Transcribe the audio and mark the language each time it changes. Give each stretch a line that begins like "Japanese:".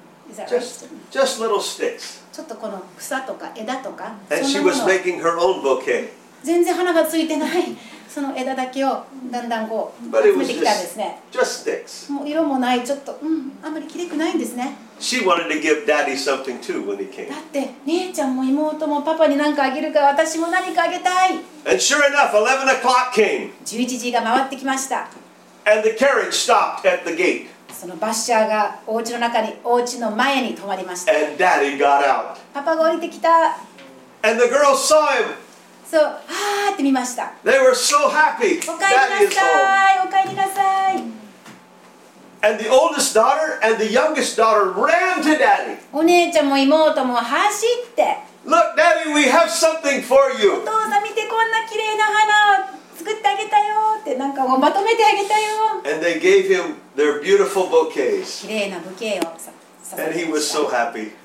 English: just little sticks.
Japanese: ちょっとこの草とか枝とか
English: And she was making her own bouquet.
Japanese: 全然花がついてないその枝だけをだんだんこう
English: But it was
Japanese: 集めてきたんですね
English: just sticks.
Japanese: もう色もないちょっと、うん、あんまり綺麗くないんですね
English: she wanted to give daddy something too when he came.
Japanese: だって姉ちゃんも妹もパパに何かあげるから私も何かあげたい
English: And sure enough, 11 o'clock came.
Japanese: 11時が回ってきました。
English: And the carriage stopped at the gate.
Japanese: その馬車がお家の中に、お家の前に停まりました。
English: And daddy got out.
Japanese: パパが降りてきた。
English: And the girls saw him.
Japanese: そう、はーって見ました。
English: They were so happy.
Japanese: お帰りなさい、お帰りなさい。
English: And the oldest daughter and the youngest daughter ran to daddy.
Japanese: お姉ちゃんも妹も走って。
English: Look, Daddy, we have something for you.
Japanese: お父さん見てこんな綺麗な花を作ってあげたよってなんかまとめてあげたよ。
English: And they gave him their beautiful bouquets.
Japanese: 綺麗なブケを。
English: And he was so happy.